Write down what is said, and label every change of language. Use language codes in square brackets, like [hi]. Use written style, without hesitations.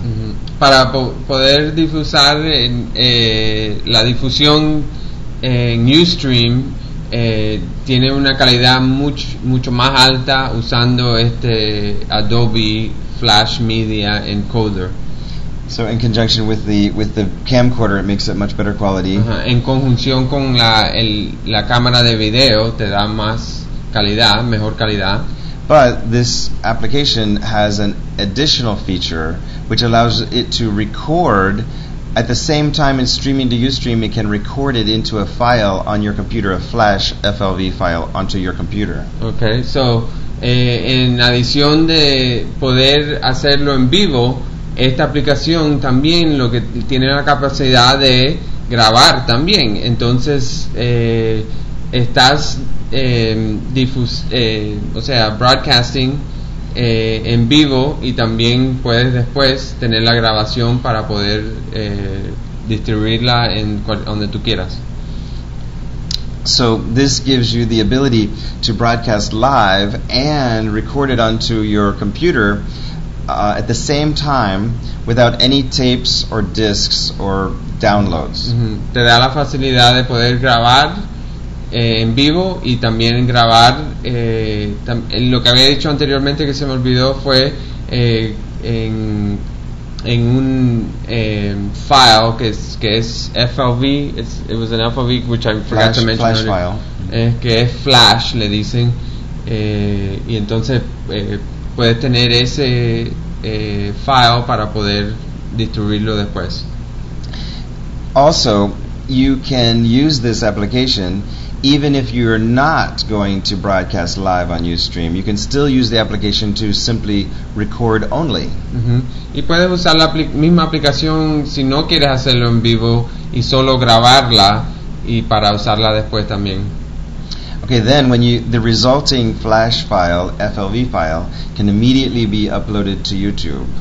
[es] Mm-hmm. Para poder difusar la difusión en Ustream, tiene una calidad mucho más alta usando este Adobe Flash Media Encoder. [en] So in conjunction with the camcorder, it makes it much better quality. Uh-huh. [es] En conjunción con la cámara de video, te da más calidad, mejor calidad. [en] But this application has an additional feature which allows it to record at the same time it's streaming to Ustream. It can record it into a file on your computer, a Flash FLV file onto your computer. Okay, so [es] en adición de poder hacerlo en vivo, esta aplicación también lo que tiene la capacidad de grabar también. Entonces estás broadcasting en vivo, y también puedes después tener la grabación para poder distribuirla donde tú quieras. [en] So this gives you the ability to broadcast live and record it onto your computer at the same time, without any tapes or discs or downloads. Mm-hmm. [es] Te da la facilidad de poder grabar en vivo y también grabar. Lo que había dicho anteriormente que se me olvidó fue en un file que es FLV. [en] It was an FLV which I forgot flash, to mention. Flash file. [es] Que es Flash, le dicen. Y entonces puedes tener ese file para poder distribuirlo después. [en] Also, you can use this application even if you're not going to broadcast live on Ustream. You can still use the application to simply record only. Mm-hmm. [es] Y puedes usar la misma aplicación si no quieres hacerlo en vivo y solo grabarla y para usarla después también. [en] Okay, then when the resulting Flash file, FLV file, can immediately be uploaded to YouTube.